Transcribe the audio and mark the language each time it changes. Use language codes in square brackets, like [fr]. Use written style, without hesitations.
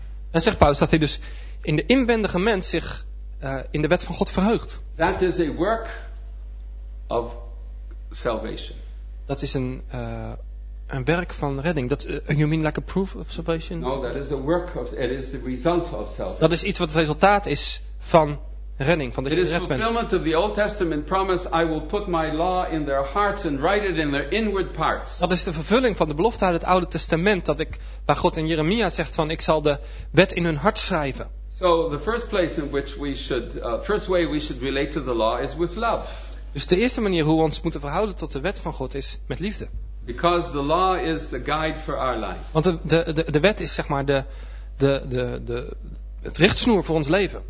[nl] En zegt Paulus dat hij dus in de inwendige mens zich in de wet van God verheugt. [en] That is a work of salvation. [nl] Dat is een werk van redding. [en] You mean like a proof of salvation? No, that is a work of. It is the result of salvation. [nl] Dat is iets wat het resultaat is van redding, van de redding. [en] It is fulfillment of the Old Testament promise. I will put my law in their hearts and write it in their inward parts. [nl] Dat is de vervulling van de belofte uit het Oude Testament waar God in Jeremia zegt van ik zal de wet in hun hart schrijven. [en] So So the first place in which we should, first way we should relate to the law is with love. [nl] Dus de eerste manier hoe we ons moeten verhouden tot de wet van God is met liefde. [en] Because the law is the guide for our life. [nl] Want de wet is zeg maar de het richtsnoer voor ons leven.